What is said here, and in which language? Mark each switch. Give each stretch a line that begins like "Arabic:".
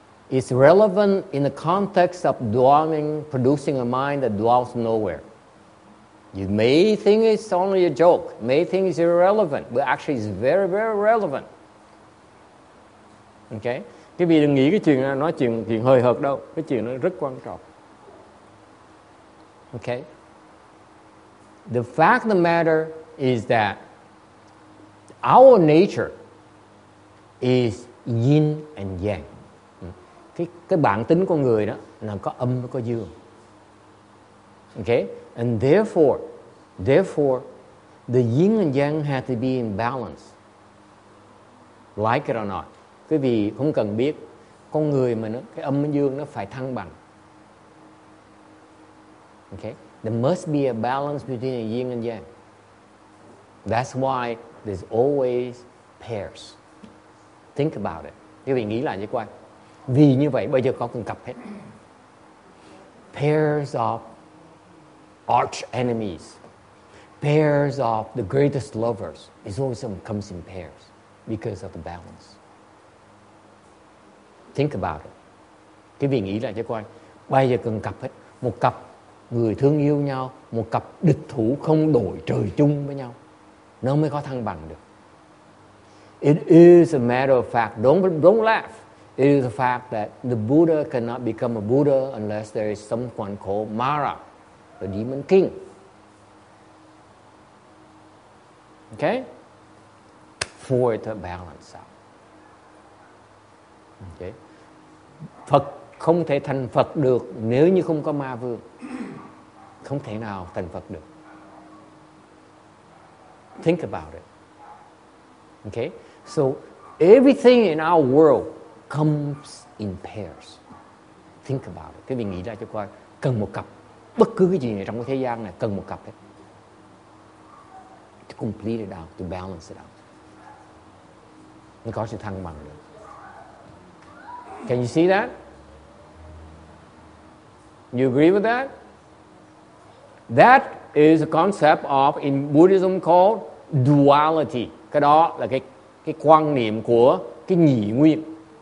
English: It's relevant in the context of dwelling, producing a mind that dwells nowhere. You may think it's only a joke, may think it's irrelevant, but actually it's very, very relevant. Okay?
Vietnamese: Cái vị đừng nghĩ cái chuyện nói chuyện hơi hợt đâu, cái chuyện nó rất quan trọng.
English: Okay? The fact of the matter is that our nature is yin and yang.
Vietnamese: Cái bản tính của người đó là có âm có dương.
English: Okay? And therefore the yin and yang have to be in balance. Like it or not.
Vietnamese: Quý vị không cần biết, con người mà nó cái âm dương nó phải thăng bằng.
English: Okay? There must be a balance between the yin and yang. That's why there's always pairs. Think about it.
Vietnamese: Quý vị nghĩ lại cho coi. Vì như vậy bây giờ có cùng cặp hết.
English: Pairs of arch enemies. Pairs of the greatest lovers. It's always something comes in pairs because of the balance. Think about it.
Vietnamese: Cái vị nghĩ lại cho coi. Bây giờ cần cặp hết. Một cặp người thương yêu nhau, một cặp địch thủ không đội trời chung với nhau, nó mới có thăng bằng được.
English: It is a matter of fact. Don't laugh. It is a fact that the Buddha cannot become a Buddha unless there is someone called Mara, the demon king. Okay? For it to balance out. Okay?
Vietnamese: Phật không thể thành Phật được nếu như không có ma vương. Không thể nào thành Phật được.
English: Think about it. Okay? So, everything in our world comes in pairs. Think about it.
Vietnamese: Quý vị nghĩ ra cho coi, cần một cặp. Bất cứ cái gì này trong cái thế gian này cần một cặp hết.
English: To complete it out, to balance it out.
Vietnamese: Nó có sự thăng bằng được.
English: Can you see that? You agree with that? That is a concept of in Buddhism called duality.
Vietnamese: Cái đó là cái quan niệm của cái nhị nguyên.